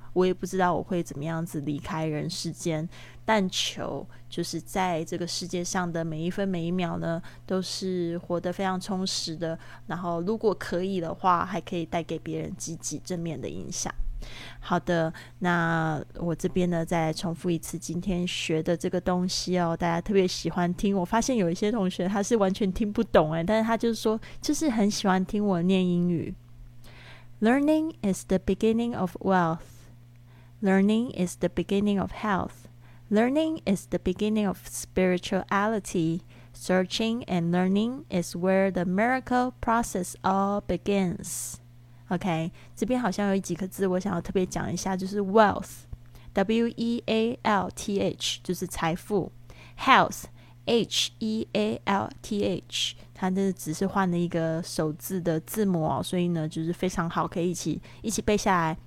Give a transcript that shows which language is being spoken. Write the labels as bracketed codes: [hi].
[zh] 我也不知道我会怎么样子离开人世间，但求就是在这个世界上的每一分每一秒呢，都是活得非常充实的，然后如果可以的话，还可以带给别人积极正面的影响。好的，那我这边呢再重复一次今天学的这个东西哦，大家特别喜欢听。我发现有一些同学他是完全听不懂，但是他就是说就是很喜欢听我念英语。 [en] Learning is the beginning of wealthLearning is the beginning of health. Learning is the beginning of spirituality. Searching and learning is where the miracle process all begins. [zh] OK, 这边好像有几个字我想要特别讲一下，就是 wealth, W-E-A-L-T-H, 就是财富。 Health, H-E-A-L-T-H, 它这只是换了一个首字的字母哦，所以呢就是非常好，可以一起背下来。